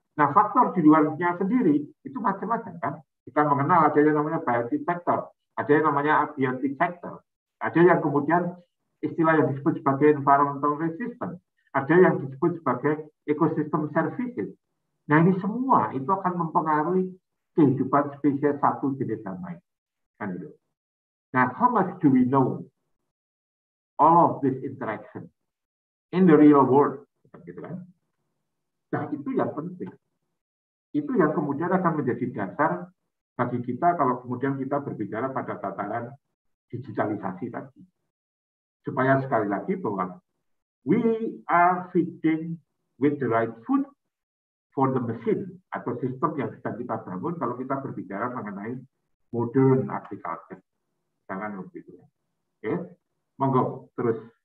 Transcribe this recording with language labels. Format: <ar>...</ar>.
<id>Nah, faktor di luarnya sendiri itu macam-macam kan? Kita mengenal ada yang namanya biotic factor, ada yang namanya abiotic factor, ada yang kemudian istilah yang disebut sebagai environmental resistance, ada yang disebut sebagai ecosystem services. Nah ini semua itu akan mempengaruhi kehidupan spesies satu jenis yang lain. Kan itu.</id> <en>Nah how much do we know all of this interaction in the real world?</en> <id>Gitu kan? Nah itu yang penting. Itu yang kemudian akan menjadi dasar bagi kita kalau kemudian kita berbicara pada tataran digitalisasi tadi. Supaya sekali lagi bahwa</id> <en>we are feeding with the right food for the machine</en> <id>atau sistem yang sedang kita bangun kalau kita berbicara mengenai modern agriculture. Jangan lupa itu. Monggo, terus.</id>